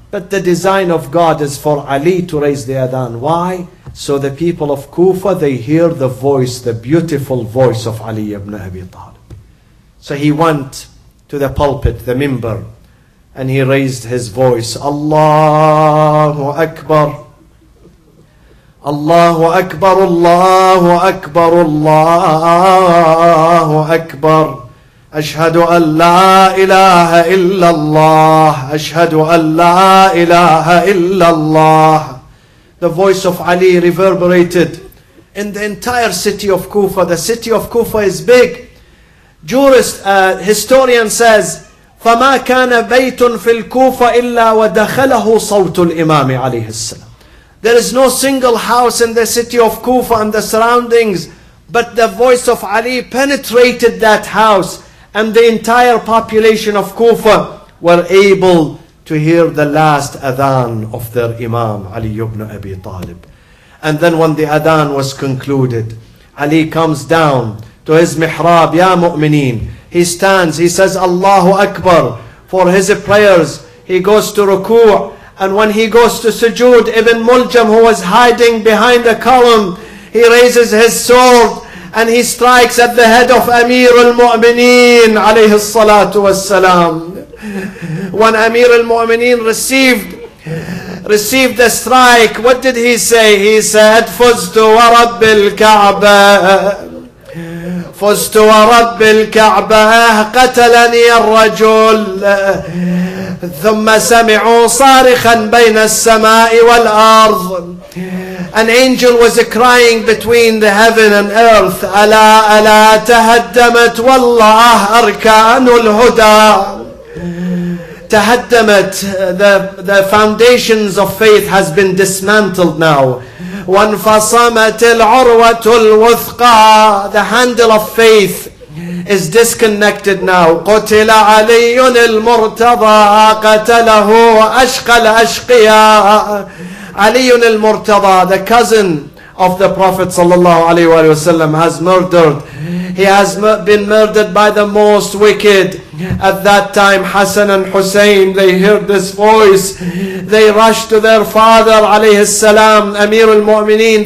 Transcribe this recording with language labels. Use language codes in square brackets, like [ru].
[en] But the design of God is for Ali to raise the adhan. Why? So the people of Kufa, they hear the voice, the beautiful voice of Ali ibn Abi Talib. So he went to the pulpit, the minbar, and he raised his voice. Allahu Akbar. [ar] الله أكبر الله أكبر الله أكبر أشهد أن لا إله إلا الله أشهد أن لا إله إلا الله. [en] The voice of Ali reverberated in the entire city of Kufa. The city of Kufa is big. Historian says, [ar] فما كان بيت في الكوفة إلا ودخله صوت الإمام عليه السلام. [en] There is no single house in the city of Kufa and the surroundings, but the voice of Ali penetrated that house, and the entire population of Kufa were able to hear the last adhan of their Imam, Ali ibn Abi Talib. And then when the adhan was concluded, Ali comes down to his mihrab, Ya Mu'mineen. He stands, he says Allahu Akbar for his prayers. He goes to ruku', and when he goes to sujood, Ibn Muljam, who was hiding behind a column, he raises his sword and he strikes at the head of Amir al-Mu'mineen alayhi salatu wassalam. When Amir al-Mu'mineen received the strike, what did he say? He said, [ar] Fuztu wa Rabbi al-Ka'ba. فزت ورب الكعبة قتلني الرجل ثم سمعوا صارخا بين السماء والأرض. [en] An angel was crying between the heaven and earth, [ar] ألا ألا تهدمت والله أركان الهدى. [en] تهدمت, the foundations of faith has been dismantled now. [ar] وانفصمت العروة الوثقى, [en] the handle of faith is disconnected now. [ar] قتل علي المرتضى قتله أشقى الأشقياء. [en] علي المرتضى, the cousin of the Prophet [ar] صلى الله عليه وآله وسلم, [en] has murdered. He has been murdered by the most wicked. At that time, Hassan and Hussein, they heard this voice. They rushed to their father, alayhi salam, Amir al-Mu'mineen.